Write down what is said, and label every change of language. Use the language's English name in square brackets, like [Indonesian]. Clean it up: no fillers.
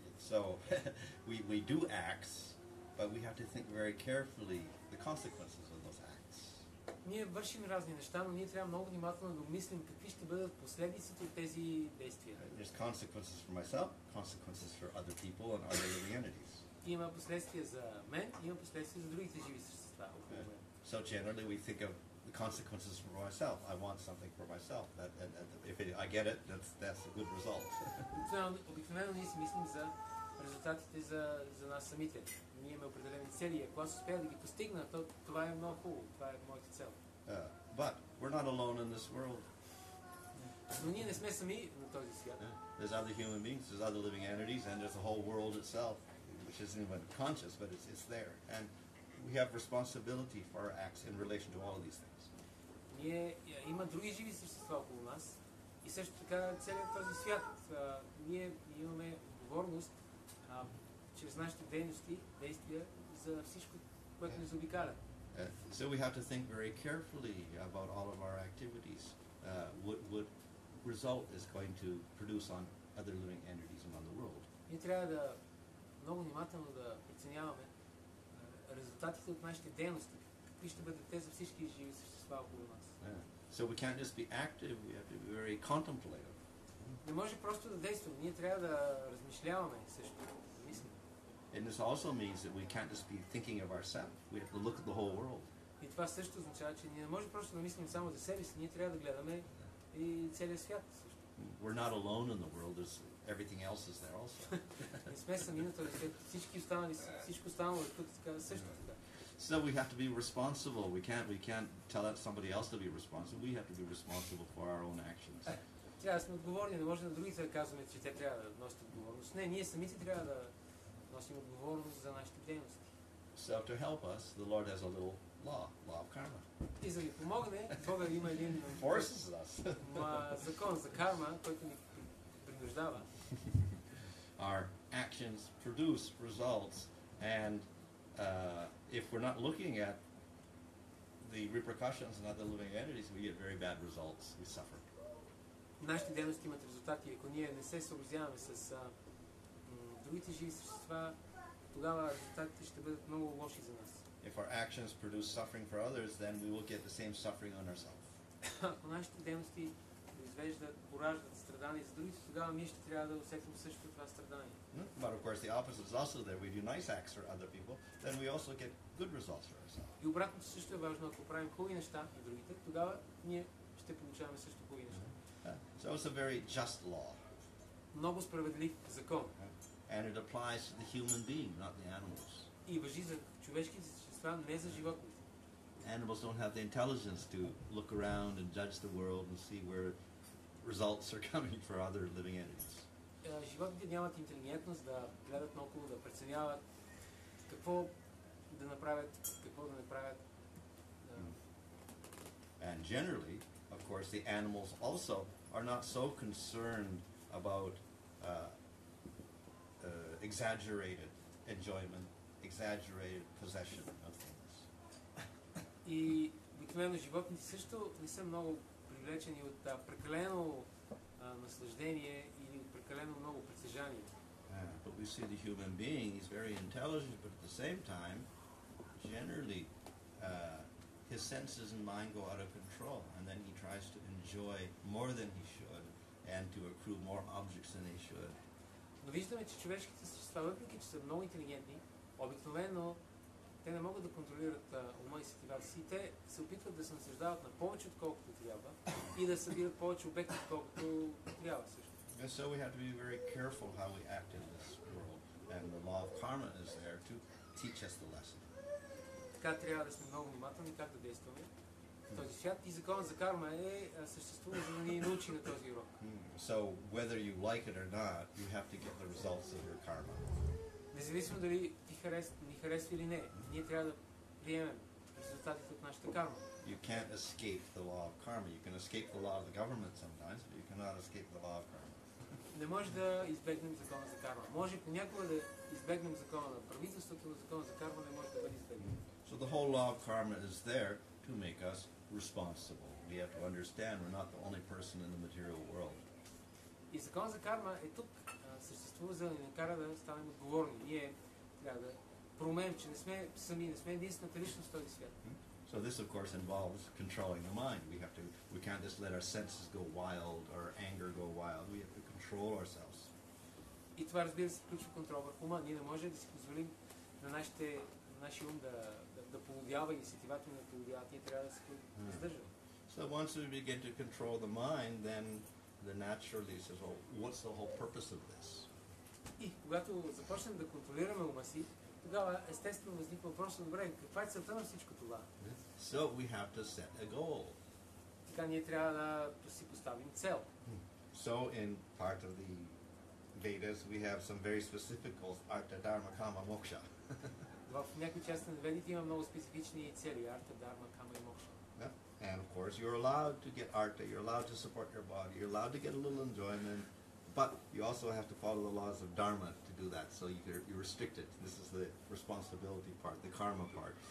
[English] So, we do acts, but we have to think very carefully the consequences of those acts. [Bulgarian] Ние вършим разни неща, но ние трябва много внимателно да мислим какви ще бъдат последиците от тези действия. [English] There's consequences for myself, consequences for other people and other living entities. [Bulgarian] Има последствия за мен, има последствия за другите живи същества. [English] So generally we think of the consequences for myself. I want something for myself. If I get it, that's a good result. [Bulgarian] Обикновено ние си мислим за резултатите за нас самите. Ние имаме определени цели. Ако аз успея да ги постигна, то това е много хубаво. Това е моята цел. [English] But we're not alone in this world. [Bulgarian] Но ние не сме сами на този свят. [English] There's other human beings, there's other living entities, and there's the whole world itself, which isn't even conscious, but it's there. And we have responsibility for our acts in relation to all of these things. [Bulgarian] Ние има други живи същества около нас и също така целият този свят. Ние имаме отговорност чрез нашите действия за всичко, което ни заобикаля. [English] So we have to think very carefully about all of our activities. What result is going to produce on other living entities around the world? [Bulgarian] Ние трябва да много внимателно да преценяваме резултатите от нашите дейности. Какви ще бъдат те за всички живи същества около нас? [English] So we can't just be active. We have to be very contemplative. [Bulgarian] Не може просто да действаме. Ние трябва да размишляваме също. [English] And this also means that we can't just be thinking of ourselves. We have to look at the whole world. [Bulgarian] И това също означава, че ние не можем просто да мислим само за себе си, ние трябва да гледаме и целия свят. [English] We're not alone in the world. There's everything else is there also. [Bulgarian] Не сме сами на този свят. Всички останали, всичко останало е тук така също така. [English] So we have to be responsible. We can't tell somebody else to be responsible. We have to be responsible for our own actions. [Bulgarian] Трябва да сме отговорни, не можем на другите да казваме, че те трябва да носят отговорност. Не, ние самите трябва да носим отговорност за нашите дейности. [English] So to help us, the Lord has a little law of karma. [Bulgarian] И за да ни помогне, Бога има един [English] forces us. [Bulgarian] Закон за карма, който ни принуждава. [English] Our actions produce results, and if we're not looking at the repercussions and other living entities, we get very bad results. We suffer. [Bulgarian] Нашите дейности имат резултати, ако ние не се съобразяваме с другите живи същества, тогава резултатите ще бъдат много лоши за нас. [English] If our actions produce suffering for others, then we will get the same suffering on ourselves. [Bulgarian] Ако нашите дейности произвеждат, пораждат страдания за другите, тогава ние ще трябва да усетим също това страдание. [English] But of course the opposite is also there. We do nice acts for other people, then we also get good results for ourselves. [Bulgarian] И обратното също е важно. Ако правим хубави неща на другите, тогава ние ще получаваме също хубави неща. [English] So it's a very just law. [Bulgarian] Много справедлив закон. [English] And it applies to the human being, not the animals. [Bulgarian] И важи за човешките същества, не за животните. [English] Animals don't have the intelligence to look around and judge the world and see where results are coming for other living entities. [Bulgarian] Животните нямат интелигентност да гледат наоколо, да преценяват какво да направят, какво да не правят. [English] And generally, of course, the animals also are not so concerned about exaggerated enjoyment, exaggerated possession of things. [Bulgarian] И обикновено животните също не са много привлечени от прекалено наслаждение или от прекалено много притежание. [English] But we see the human being is very intelligent, but at the same time, generally, his senses and mind go out of control, and then he tries to enjoy more than he should, and to accrue more objects than he should. [Bulgarian] Но виждаме, че човешките същества, въпреки че са много интелигентни, обикновено те не могат да контролират ума и сетивата си. Те се опитват да се насъждават на повече, отколкото трябва, и да събират повече обекти, отколкото трябва също. [English] And so we have to be very careful how we act in this world. And the law of karma is there to teach us the lesson. [Bulgarian] Така трябва да сме много внимателни как да действаме в този свят. И законът за карма е съществува, за да ни научи на този урок. [English] So whether you like it or not, you have to get the results of your karma. [Bulgarian] Независимо дали ни харесва или не, ние трябва да приемем резултатите от нашата карма. [English] You can't escape the law of karma. You can escape the law of the government sometimes, but you cannot escape the law of karma. [Bulgarian] Не може да избегнем закона за карма. Може понякога да избегнем закона на правителството, но закона за карма не може да бъде избегнен. [English] So the whole law of karma is there to make us responsible. We have to understand we're not the only person in the material world. [Bulgarian] И закон за карма е тук, съществува, за да ни накара да станем отговорни. Ние трябва да проумеем, че не сме сами, не сме единствената личност в този свят. [English] So this of course involves controlling the mind. We can't just let our senses go wild or anger go wild. We have to control ourselves. [Bulgarian] И това, разбира се, включва контрол върху ума. Ние не можем да си позволим на нашия ум да проповядава, инициативата на проповядата, ние трябва да се издържаме. [English] So once we begin to control the mind, then the naturally says, well, what's the whole purpose of this? [Bulgarian] И когато започнем да контролираме ума си, тогава естествено възниква въпроса, добре, каква е целта на всичко това? [English] So we have to set a goal. [Bulgarian] Така ние трябва да си поставим цел. [English] So in part of the Vedas, we have some very specific goals, Artha, Dharma, Kama, Moksha. [Bulgarian] В някои части на Ведите има много специфични цели, Артха, Дхарма, Кама и Мокша. [English] And of course, you're allowed to get artha, you're allowed to support your body, you're allowed to get a little enjoyment, but you also have to follow the laws of dharma to do that, so you're restricted. This is the responsibility part, the karma part.